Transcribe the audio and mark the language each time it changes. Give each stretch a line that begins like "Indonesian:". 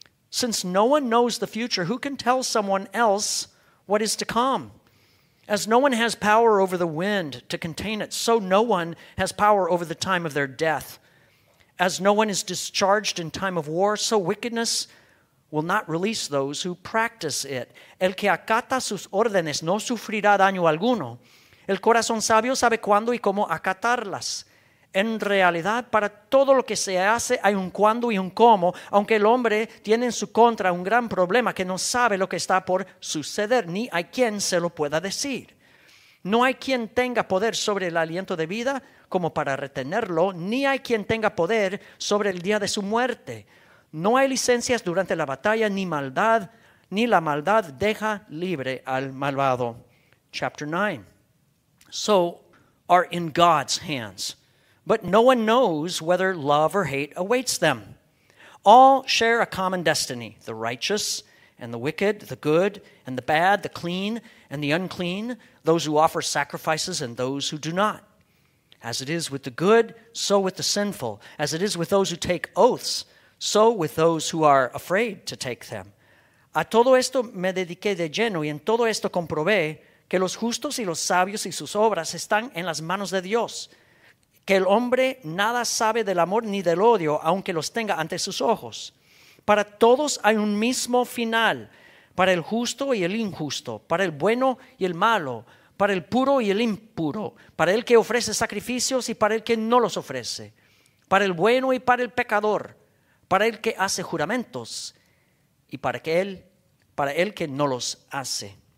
English: Since no one knows the future, who can tell someone else what is to come? As no one has power over the wind to contain it, so no one has power over the time of their death. As no one is discharged in time of war, so wickedness will not release those who practice it.
Spanish: El que acata sus órdenes no sufrirá daño alguno. El corazón sabio sabe cuándo y cómo acatarlas. En realidad, para todo lo que se hace hay un cuándo y un cómo, aunque el hombre tiene en su contra un gran problema que no sabe lo que está por suceder, ni hay quien se lo pueda decir. No hay quien tenga poder sobre el aliento de vida como para retenerlo, ni hay quien tenga poder sobre el día de su muerte. No hay licencias durante la batalla, ni maldad, ni la maldad deja libre al malvado.
English: Chapter 9. So are in God's hands. But no one knows whether love or hate awaits them. All share a common destiny, the righteous and the wicked, the good and the bad, the clean and the unclean, those who offer sacrifices and those who do not. As it is with the good, so with the sinful. As it is with those who take oaths, so with those who are afraid to take them.
Spanish: A todo esto me dediqué de lleno, y en todo esto comprobé que los justos y los sabios y sus obras están en las manos de Dios. Que el hombre nada sabe del amor ni del odio, aunque los tenga ante sus ojos. Para todos hay un mismo final, para el justo y el injusto, para el bueno y el malo, para el puro y el impuro, para el que ofrece sacrificios y para el que no los ofrece, para el bueno y para el pecador, para el que hace juramentos y para el que no los hace.